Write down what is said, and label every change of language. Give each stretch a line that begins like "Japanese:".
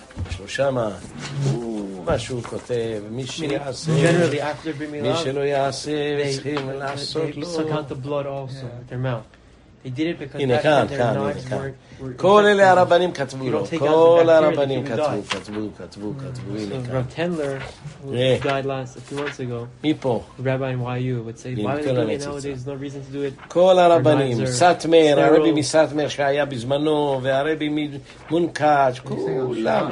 Hebrew: שלושה מה? מה שהוא כותב, מי שיעשה, מי שלא יעשה, צריכים לעשות לו.
English: They suck out the blood also, their mouth.
Hebrew: הנה כאן, כאן, כאן. כל אלה הרבנים כתבו לו. כל הרבנים כתבו.
English: So Rav Tendler, who died last a few months ago, Rabbi NYU, would say, why do they do it nowadays? There's no reason to do it.
Hebrew: כל הרבנים, סאטמר, הרבי מסאטמר שהיה בזמנו, והרבי ממונקאץ', כולם.